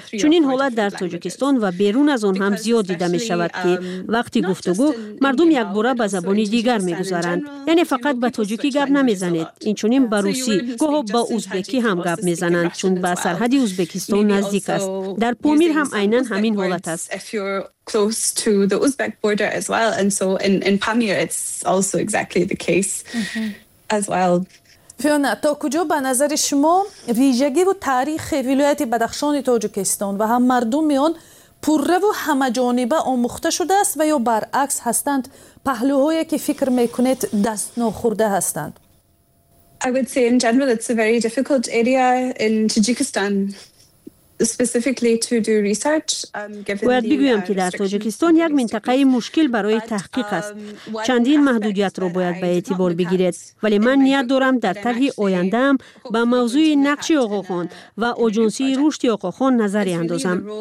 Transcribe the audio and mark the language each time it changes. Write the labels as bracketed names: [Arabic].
[Persian] چون این حالت در تاجیکستان و بیرون از آن هم زیاد دیده میشود که وقتی گفتگو مردم یک باره به زبانی دیگر میگذارند. یعنی فقط به تاجیکی گپ نمیزنید، این چنین به روسی، گاه ها به ازبکی هم گپ میزنند چون به سرحد ازبکستان نزدیک است. در پامیر هم اینن همین حالت است. [English] If you're close to the Uzbek border as well, and so in Pamir it's also exactly the case as well. [Persian] فیونا، تا کجا به نظر شما ویژگی و تاریخ ولایت بدخشان تاجیکستان و هم مردم آن پوره و همه جانبه آموخته شده است و یا برعکس هستند پهلوهایی که فکر میکنید دست نخورده هستند؟ [English] I would say in general it's a very difficult area in Tajikistan. [Persian] باید بگویم که در تاجیکستان یک منطقه مشکل برای تحقیق است. چندین محدودیت را باید به اعتبار بگیرید. ولی من نیت دارم در طرح آینده‌ام به موضوع نقش آقاخان و اجنسی رشد آقاخان نظری اندازم.